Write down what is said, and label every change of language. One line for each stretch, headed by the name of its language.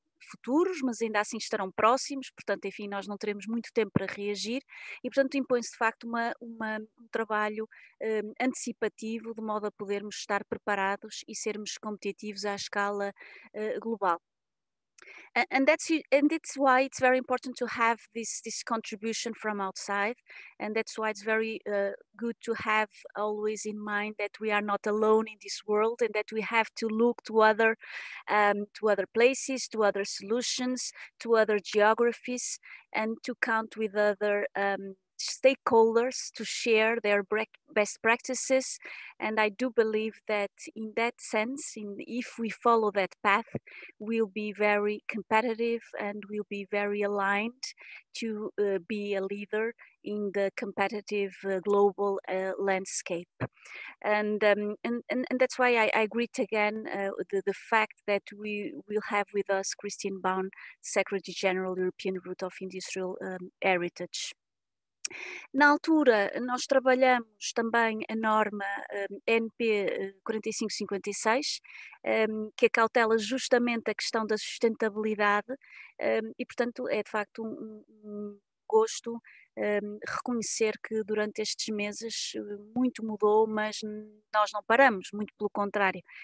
Portuguese: futuros, mas ainda assim estarão próximos, portanto, enfim, nós não teremos muito tempo para reagir e, portanto, impõe-se de facto um trabalho antecipativo, de modo a podermos estar preparados e sermos competitivos à escala global.
English: And that's why it's very important to have this contribution from outside, and that's why it's very good to have always in mind that we are not alone in this world and that we have to look to other places, to other solutions, to other geographies, and to count with other stakeholders to share their best practices. And I do believe that in that sense, if we follow that path, we'll be very competitive and we'll be very aligned to be a leader in the competitive global landscape. And that's why I greet again the fact that we will have with us Christine Baum, Secretary General, European Root of Industrial Heritage.
Portuguese: Na altura, nós trabalhamos também a norma NP 4556, que acautela justamente a questão da sustentabilidade, e, portanto, é de facto um gosto reconhecer que durante estes meses muito mudou, mas nós não paramos, muito pelo contrário.